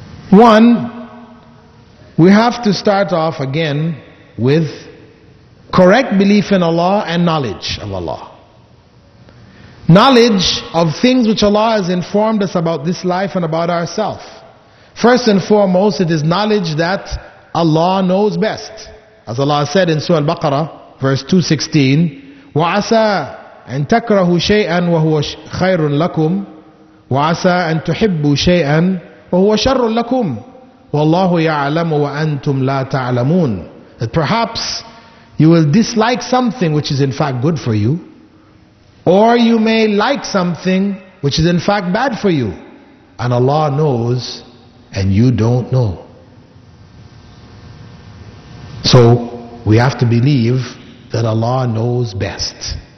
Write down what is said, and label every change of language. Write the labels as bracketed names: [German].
[English] One, we have to start off again with correct belief in Allah and knowledge of Allah. Knowledge of things which Allah has informed us about this life and about ourselves. First and foremost, it is knowledge that Allah knows best. As Allah said in Surah Al-Baqarah, verse 216, [Arabic] وَعَسَىٰ أَن تَكْرَهُ شَيْئًا وَهُوَ خَيْرٌ لَكُمْ وَعَسَىٰ أَن تُحِبُّ شَيْئًا وَهُوَ شَرٌ لَكُمْ وَاللَّهُ يَعْلَمُ وَأَنْتُمْ لَا تَعْلَمُونَ. [English] That perhaps you will dislike something which is in fact good for you, or you may like something which is in fact bad for you, and Allah knows and you don't know. So we have to believe that Allah knows best.